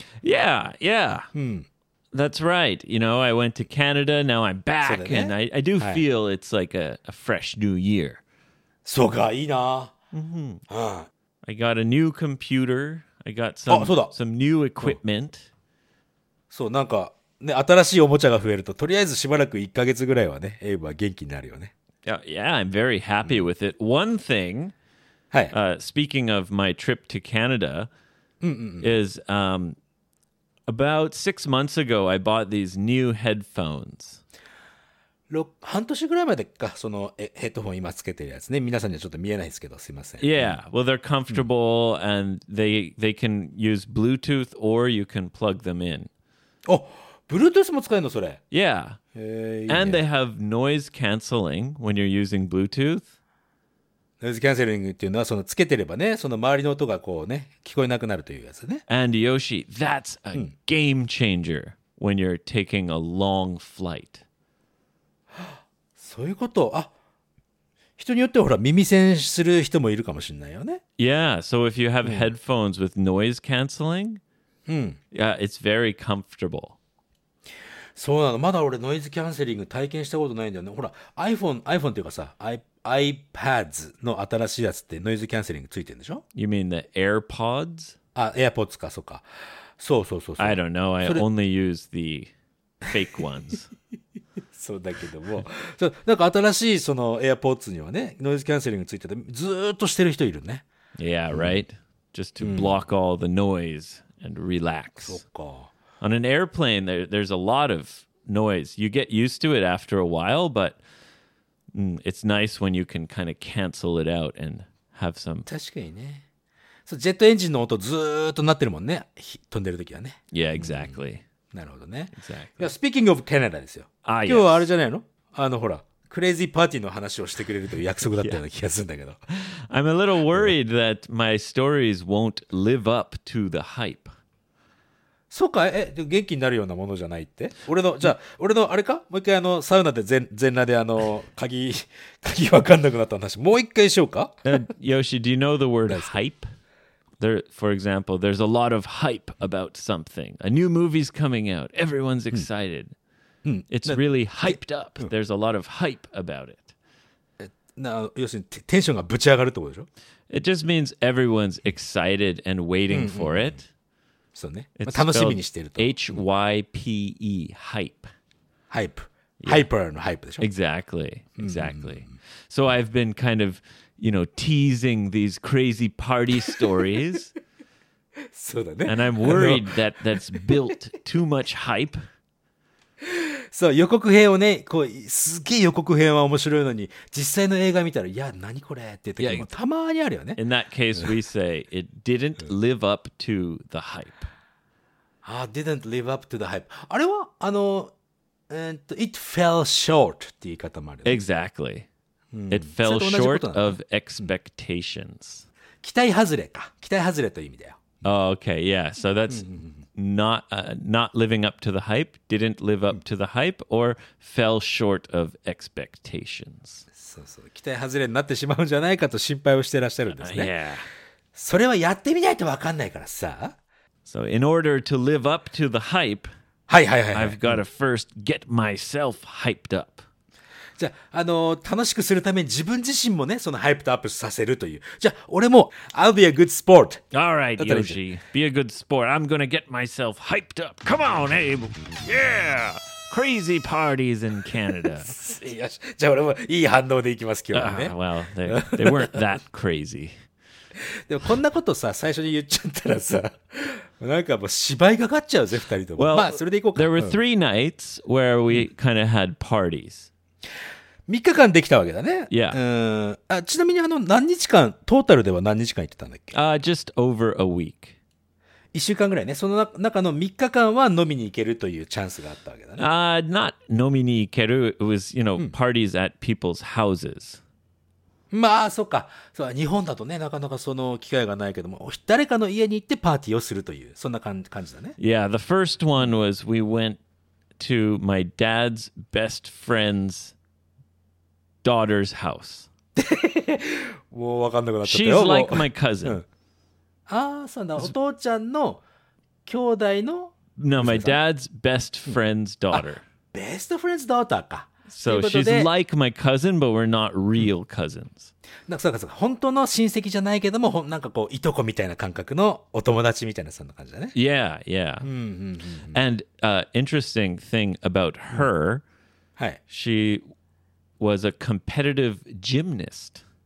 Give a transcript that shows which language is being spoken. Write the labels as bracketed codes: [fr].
[en] Yeah、That's right. You know, I went to Canada, now I'm back、ね、and I do feel、はい、it's like a fresh new year [ja] そうか、いいな。 [en] I got a new computer. I got some new equipment. [ja] そう、なんかね、新しいおもちゃが増えると、とりあえずしばらく1ヶ月ぐらいはね、エイブは元気になるよね。 [en] Yeah, I'm very happy with it. One thing, speaking of my trip to Canada, is about 6 months ago, I bought these new headphones. [ja] 半年ぐらいまでか、そのヘッドホン今つけてるやつね。皆さんにはちょっと見えないですけど、すいません。 [en] Yeah, well, they're comfortable and they can use Bluetooth or you can plug them in. [ja] お、Bluetooth も使えるのそれ。 [en] Yeah. And they have noise cancelling when you're using Bluetooth. [ja] ノイズキャンセリングっていうのは、そのつけてればね、その周りの音がこうね、聞こえなくなるというやつね。 [en] And Yoshi, that's a game changer when you're taking a long flight. [ja] そういうこと。あ、人によってほら、耳栓する人もいるかもしれないよね。 [en] Yeah, so if you have headphones with noise cancelling, yeah, it's very comfortable. [ja] そうなの。まだ俺ノイズキャンセリング体験したことないんだよね。ほら、iPhone っていうかさ、iPads の新しいやつってノイズキャンセリングついてるんでしょ？ [en] You mean the AirPods? [ja] あ、AirPods か、そっか。そうそうそうそう。 [en] I don't know. I only use the fake ones. [ja] そうだけども、そう、なんか新しいその AirPods にはね、ノイズキャンセリングついてて、ずっとしてる人いるね。 [en] Yeah, right. Just to block all the noise and relax. [ja] そっか。 [en] On an airplane, there's a lot of noise. You get used to it after a while, but it's nice when you can kind of cancel it out and have some. [ja] 確かにね。そう、ジェットエンジンの音ずっと鳴ってるもんね。飛んでる時はね。 [en] Yeah, exactly. [ja] なるほどね。 [en] Exactly. [ja] いや、 [en] speaking of Canada [ja] ですよ。 Ah, 今日はあれじゃないの？あのほら、クレイジーパーティーの話をしてくれるという約束だったような気がするんだけど。 [en] Yeah. I'm a little worried that my stories won't live up to the hype. [ja] そうか、え、元気になるようなものじゃないって。俺の、じゃあ、俺のあれか、もう一回あのサウナで全裸であの鍵わかんなくなった話、もう一回しようか。 [en] Yoshi, do you know the word hype? There, for example, there's a lot of hype about something. A new movie's coming out. Everyone's excited. It's really hyped up. There's a lot of hype about it. [ja] な、要するにテンションがぶち上がるってことでしょ。 [en] It just means everyone's excited and waiting for it. [ja] そうね、まあ、楽しみにしてると。 [en] H-Y-P-E、hype。 hype。 [ja] hyper の hype でしょ。 [en] Exactly, exactly.、So I've been kind of, you know, teasing these crazy party stories. [ja] そうだね。 [en] And I'm worried that that's built too much hype. [ja] そう、予告編をね、こう、すげえ予告編は面白いのに、実際の映画見たら、いや、何これって時もたまにあるよね。 [en] In that case, we say, it didn't live up to the hype. Didn't live up to the hype. [ja] あれはあの、 [en] it fell short [ja] っていう言い方もある、ね。 [en] Exactly.、It fell short、ね、of expectations.、 [ja] 期待外れか。期待外れという意味だよ。 [en] Oh, okay, yeah. So that's not,、not living up to the hype, didn't live up to the hype, or fell short of expectations. [ja] そうそう。期待外れになってしまうんじゃないかと心配をしてらっしゃるんですね。 [en] Yeah. [ja] それはやってみないと分かんないからさ。 [en] So in order to live up to the hype, I've got to first get myself hyped up. [ja] じゃあ、楽しくするために自分自身もね、その hyped up させるという。じゃあ、俺も、 [en] I'll be a good sport. All right, Yoshi, be a good sport. I'm going to get myself hyped up. Come on, Abe. Yeah! Crazy parties in Canada. [ja] よし、じゃあ俺もいい反応でいきます、今日はね。 [en] Well, they weren't that crazy. [ja] でもこんなことさ最初に言っちゃったらさなんかもう芝居かかっちゃうぜ二人とも。 [en] Well, [ja] まあそれでいこうか。 [en] There were three nights where we kind of had parties. [ja] 三日間できたわけだね。 [en] Yeah. [ja] ちなみにあの何日間トータルでは何日間行ってたんだっけ？ [en] Just over a week. [ja] 一週間ぐらいね。その中の三日間は飲みに行けるというチャンスがあったわけだね。 [en] Not [ja] 飲みに行ける。 [en] It was you know parties at people's houses. [ja] まあそっか、そう日本だとねなかなかその機会がないけども誰かの家に行ってパーティーをするというそんな感じだね。 [en] Yeah, the first one was we went to my dad's best friend's daughter's house. [ja] もう分かんなくなっちゃったよ。 [en] She's like my cousin. 、 [ja] ああそうなんだ、お父ちゃんの兄弟の [en] No, my dad's best friend's daughter. Best friend's daughter か。 So she's like my cousin, but we're not real cousins. [ja] なんかそうかそうか、本当の親戚じゃないけども、なんかこういとこみたいな感覚のお友達みたいなそんな感じだね。 [en] Yeah, yeah. And interesting thing about her, she was a competitive gymnast.